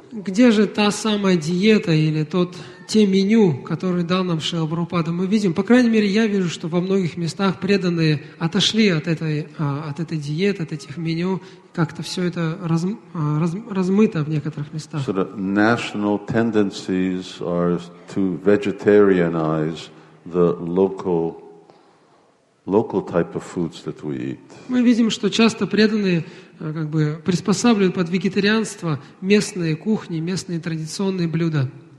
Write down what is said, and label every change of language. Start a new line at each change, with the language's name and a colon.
Russian: Где же та самая диета или те меню, которые дал нам Шрила Прабхупада? Мы видим, по крайней мере, я вижу, что во многих местах преданные отошли от этой диеты, от этих меню, как-то все это размыто в некоторых местах.
English: Sort of national tendencies are to vegetarianize the local type of foods that we eat.
Russian: Мы видим, что часто преданные как бы приспосабливают под вегетарианство местные кухни, местные традиционные блюда.